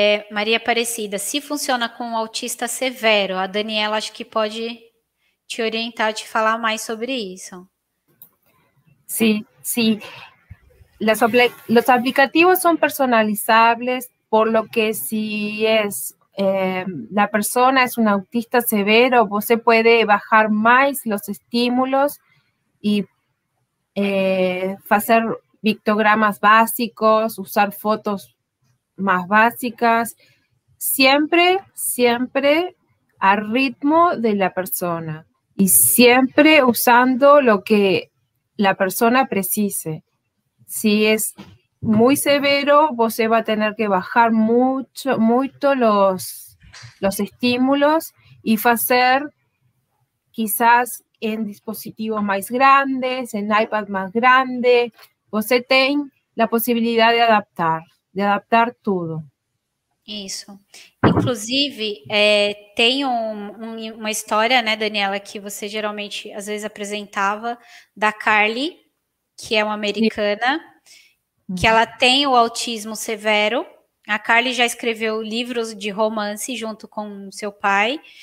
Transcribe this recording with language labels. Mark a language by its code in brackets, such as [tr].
[pt] Maria Aparecida, se funciona com o autista severo, a Daniela acho que pode te orientar, te falar mais sobre isso. [es] Sí. Los aplicativos son personalizables, por lo que si es la persona es un autista severo, você puede bajar más los estímulos y hacer pictogramas básicos, usar fotos más básicas, siempre, siempre al ritmo de la persona y siempre usando lo que la persona precise. Si es muy severo, vos va a tener que bajar mucho, mucho los estímulos y hacer quizás en dispositivos más grandes, en iPad más grande, vos ten la posibilidad de adaptar todo. [pt] Isso. Inclusive, tem uma história, né, Daniela, que você geralmente, às vezes, apresentava, da Carly, que é uma americana, que ela tem o autismo severo. A Carly já escreveu livros de romance junto com seu pai.